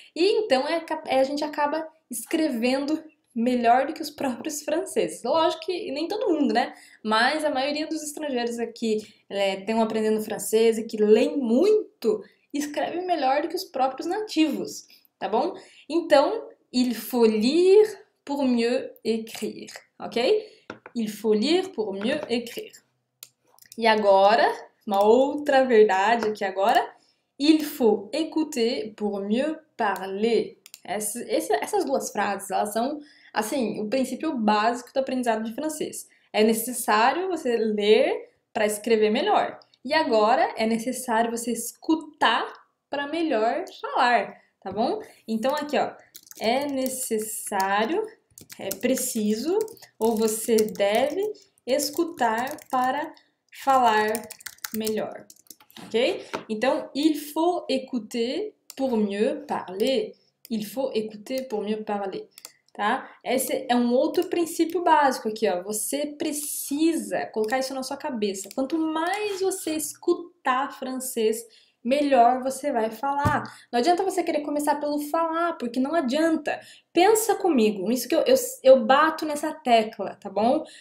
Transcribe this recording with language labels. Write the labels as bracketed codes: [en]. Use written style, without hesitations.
[pt] E então a gente acaba escrevendo melhor do que os próprios franceses. Lógico que nem todo mundo, né? Mas a maioria dos estrangeiros aqui estão aprendendo francês e que leem muito, escrevem melhor do que os próprios nativos, tá bom? Então, [fr] il faut lire pour mieux écrire, ok? Il faut lire pour mieux écrire. [pt] E agora, uma outra verdade aqui agora, [fr] il faut écouter pour mieux parler. [pt] Essas duas frases, elas são, assim, o princípio básico do aprendizado de francês. É necessário você ler para escrever melhor. E agora é necessário você escutar para melhor falar, tá bom? Então aqui, ó, é necessário, é preciso ou você deve escutar para falar melhor, ok? Então, [fr] il faut écouter pour mieux parler. Il faut écouter pour mieux parler, tá? [pt] Esse é um outro princípio básico aqui, ó. Você precisa colocar isso na sua cabeça. Quanto mais você escutar francês, melhor você vai falar. Não adianta você querer começar pelo falar, porque não adianta. Pensa comigo, isso que eu bato nessa tecla, tá bom?